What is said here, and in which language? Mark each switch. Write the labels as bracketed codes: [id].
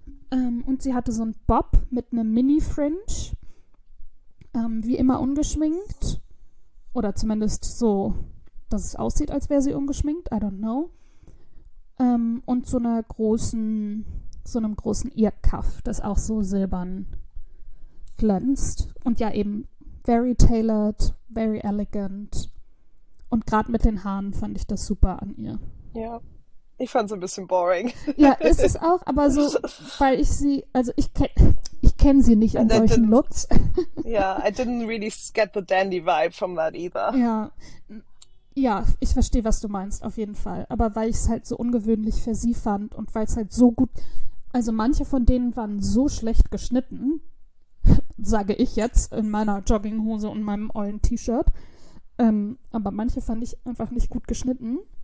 [de] Und sie hatte so einen Bob mit einem Mini-Fringe, wie immer ungeschminkt. Oder zumindest so, dass es aussieht, als wäre sie ungeschminkt. [en] I don't know. [de] Und so einer großen so einem großen Irrkaff, das auch so silbern glänzt. Und ja, eben [en] very tailored, very elegant. [de] Und gerade mit den Haaren fand ich das super an ihr. Ja, ich fand es ein bisschen boring. Ja, ist es auch, aber so, weil ich sie, also ich kenne sie nicht in solchen Looks. Ja, [en] yeah, I didn't really get the dandy vibe from that either. [de] Ja, ich verstehe, was du meinst, auf jeden Fall. Aber weil ich es halt so ungewöhnlich für sie fand und weil es halt so gut, also manche von denen waren so schlecht geschnitten, sage ich jetzt in meiner Jogginghose und meinem ollen T-Shirt. Aber manche fand ich einfach nicht gut geschnitten.